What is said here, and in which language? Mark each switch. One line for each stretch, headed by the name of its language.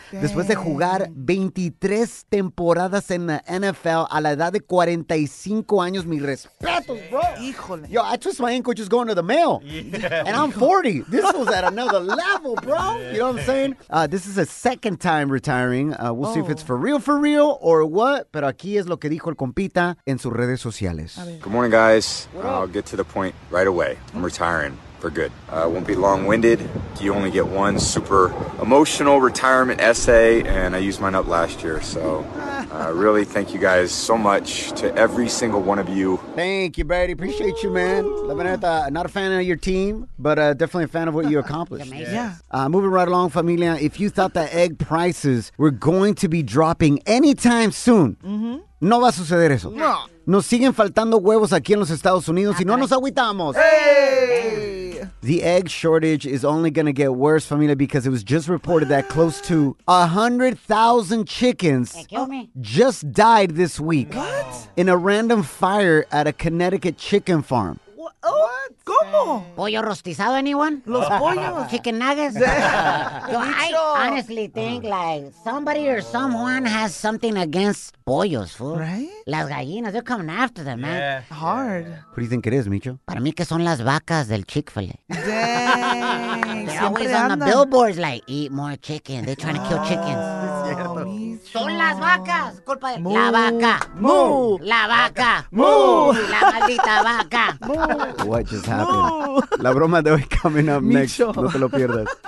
Spanish: Dang. Después de jugar 23 temporadas en the NFL a la edad de 45 años. Mis respetos, bro. Híjole.
English: Yo, I twist my ankle just going to the mail. Yeah. And I'm 40. This was at another level, bro. You know what I'm saying? This is a second time retiring. We'll see if it's for real or what.
Spanish: Pero aquí es lo que dijo el compita en sus redes sociales.
English: Good morning, guys. I'll get to the point right away. I'm retiring. For good. I won't be long-winded. You only get one super emotional retirement essay, and I used mine up last year. So really thank you guys so much to every single one of you. Thank you, Brady. Appreciate you, man. La Veneta, not a fan of your team, but definitely a fan of what you accomplished. Yeah. Moving right along, familia, if you thought that egg prices were going to be dropping anytime soon,
Spanish: no va a suceder eso. No. Nos siguen faltando huevos aquí en los Estados Unidos y no nos agüitamos.
English: Hey! The egg shortage is only going to get worse, familia, because it was just reported that close to 100,000 chickens just died this week. What? In a random fire at a Connecticut chicken farm. What? ¿Cómo?
Spanish: ¿Pollo rostizado, anyone? Los pollos.
English: Chicken nuggets. So I honestly think like somebody or someone has something against pollos, fool. Right?
Spanish: Las gallinas,
English: they're coming after them, man. Yeah. Hard. What do you think it is, Micho?
Spanish: Para mí que son las vacas del Chick-fil-A.
English: Dang. They're always on the billboards like, eat more chicken. They're trying to kill chickens.
Spanish: Son las vacas, culpa de... La vaca. Moo. La vaca. Moo. La maldita vaca. Moo.
English: What just happened?
Spanish: La broma de hoy
English: coming up next.
Spanish: No te lo pierdas.